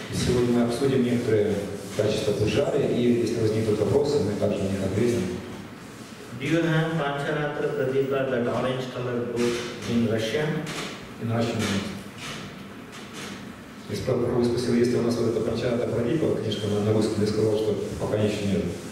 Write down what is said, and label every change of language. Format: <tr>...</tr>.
<ru>Сегодня мы обсудим некоторые качество пужари, и если возникнут вопросы, мы также не ответим.</ru> <en>Do you have Pancharatra Pradipa, that orange color book in Russian? In Russian,</en> <ru>нет. Я спросил, если у нас вот это Pancharatra Pradipa, книжка на русском, я сказал, что пока еще нет.</ru>